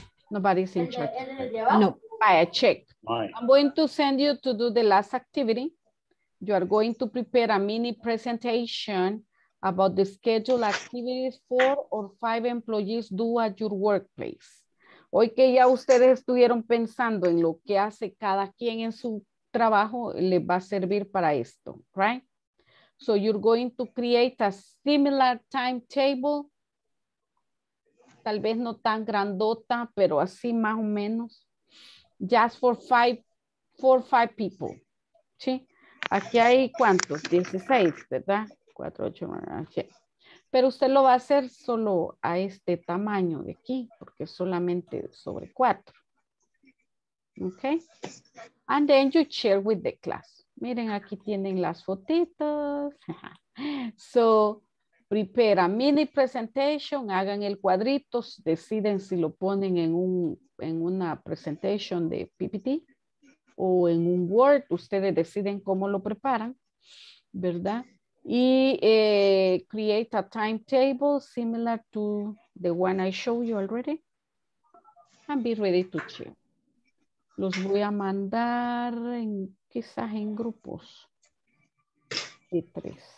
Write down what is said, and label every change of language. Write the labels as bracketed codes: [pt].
[en] Nobody's in charge. No. [es] Vaya, [en] check. I'm going to send you to do the last activity. You are going to prepare a mini presentation about the schedule activities four or five employees do at your workplace. [es] Hoy que ya ustedes estuvieron pensando en lo que hace cada quien en su trabajo, les va a servir para esto, [en] right? So you're going to create a similar timetable, [es] tal vez no tan grandota, pero así más o menos, [en] just for four or five people, [es] ¿sí? Aquí hay ¿cuántos? 16, ¿verdad? 4, 8, 9, 10. Pero usted lo va a hacer solo a este tamaño de aquí, porque es solamente sobre 4. Okay. [en] And then you share with the class. [es] Miren, aquí tienen las fotitos. [en] So, prepare a mini presentation, [es] hagan el cuadrito, deciden si lo ponen en una presentation de PPT o en un Word, ustedes deciden cómo lo preparan, ¿verdad? [en] Y create a timetable similar to the one I showed you already. And be ready to share. [es] Los voy a mandar quizás en grupos de 3.